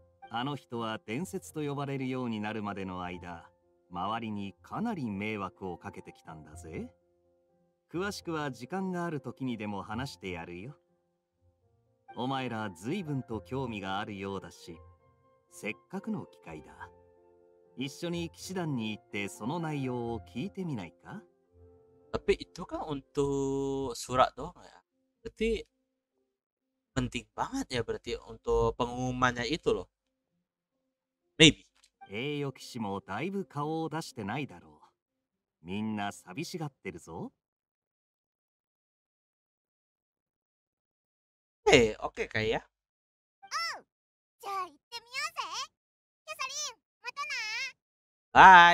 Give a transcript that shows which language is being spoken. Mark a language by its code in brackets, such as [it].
[ja] あの人は伝説と呼ばれるようになるまでの間、周りにかなり迷惑をかけてきたんだぜ。詳しくは時間があるときにでも話してやるよ。お前ら随分と興味があるようだし、せっかくの機会だ。一緒に騎士団に行ってその内容を聞いてみないか。 [id] Tapi itu kan untuk surat doang ya. Berarti penting banget ya berarti untuk pengumumannya itu loh. [en] Maybe. [ja] 栄誉騎士もだいぶ顔を出してないだろう。みんな寂しがってるぞ。 [en] Hey, okay, Kaya. [ja] じゃあ行ってみようぜ。キャサリン、またな。